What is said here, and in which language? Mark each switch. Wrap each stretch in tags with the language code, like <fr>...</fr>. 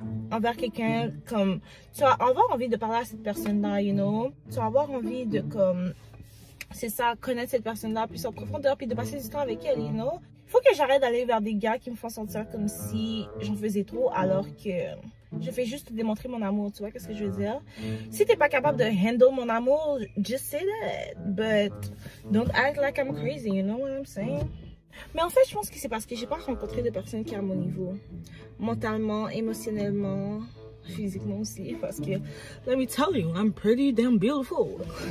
<fr>envers quelqu'un, comme tu vas avoir envie de parler à cette personne-là,</fr> <en>you know,</en> <fr>tu vas avoir envie de, comme, c'est ça, connaître cette personne-là plus en profondeur, puis de passer du temps avec elle, you know. Faut que j'arrête d'aller vers des gars qui me font sentir comme si j'en faisais trop, alors que je fais juste démontrer mon amour,</fr> <en>tu vois,</en> <fr>qu'est-ce que je veux dire? Si t'es pas capable de handle mon amour,</fr> <en>just say that, but don't act like I'm crazy, you know what I'm saying?</en> <fr>Mais en fait, je pense que c'est parce que j'ai pas rencontré de personne qui est à mon niveau. Mentalement, émotionnellement, physiquement aussi, parce que,</fr> <en>let me tell you, I'm pretty damn beautiful.</en>